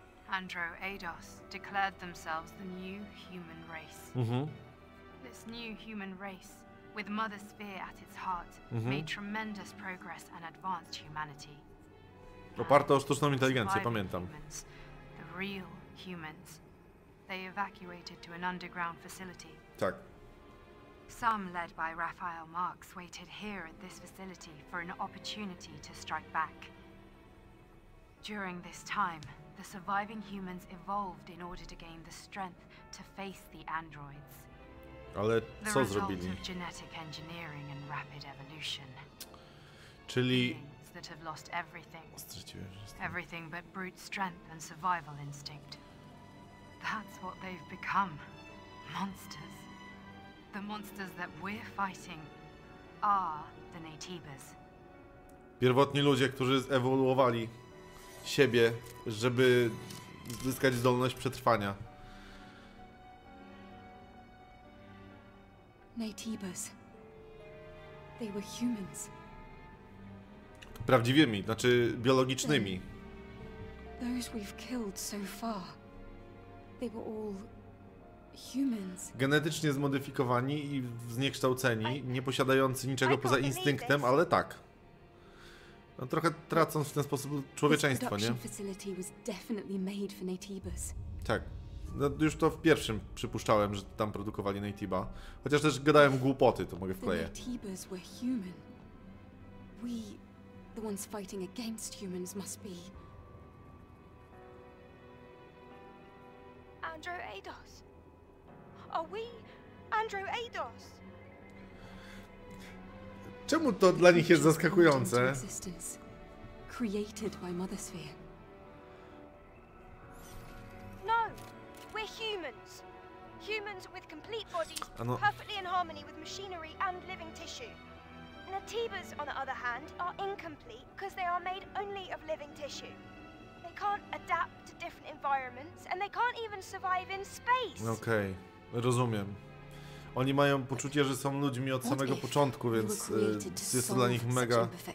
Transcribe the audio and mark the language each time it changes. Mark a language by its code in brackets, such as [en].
[en] Andro Eidos declared themselves the new human race. Mhm. This new human race. With Mother Sphere at its heart, mm-hmm. made tremendous progress and advanced humanity. [pl] Oparte o sztuczną inteligencję, pamiętam. [en] The real humans, they evacuated to an underground facility. [pl] Tak. [en] Some led by Raphael Marx waited here at this facility for an opportunity to strike back. During this time, the surviving humans evolved in order to gain the strength to face the androids. [pl] Ale co zrobili? [en] Genetic engineering and rapid evolution. [pl] Czyli [en] that have lost everything. Everything but brute strength and survival instinct. That's what they've become. Monsters. The monsters that we're fighting are the natives. [pl] Pierwotni ludzie, którzy ewoluowali siebie, żeby zyskać zdolność przetrwania. [en] Natibas. They were humans. [pl] Prawdziwymi, znaczy biologicznymi. [en] Those we've killed so far. They were all humans. [pl] Genetycznie zmodyfikowani i zniekształceni, nie posiadający niczego poza instynktem, ale tak. No trochę tracąc w ten sposób człowieczeństwo, nie? [en] This facility was definitely made for Natibas. [pl] Tak. No, już to w pierwszym przypuszczałem, że tam produkowali Natiba. Chociaż też gadałem głupoty, to mogę wkleić. [en] Natibas were human. We, the ones fighting against humans, must be. Andro Eidos. Are we Andro Eidos? [pl] Czemu to dla nich jest zaskakujące? [en] Created by Mother Sphere. We're humans. Humans with complete bodies, ano... perfectly in harmony with machinery and living tissue. Natibas, on the other hand, are incomplete because they are made only of living tissue. They can't adapt to different environments and they can't even survive in space. [pl] Okej, okay. Rozumiem. Oni mają poczucie, że są ludźmi od samego początku, więc jest to dla nich mega...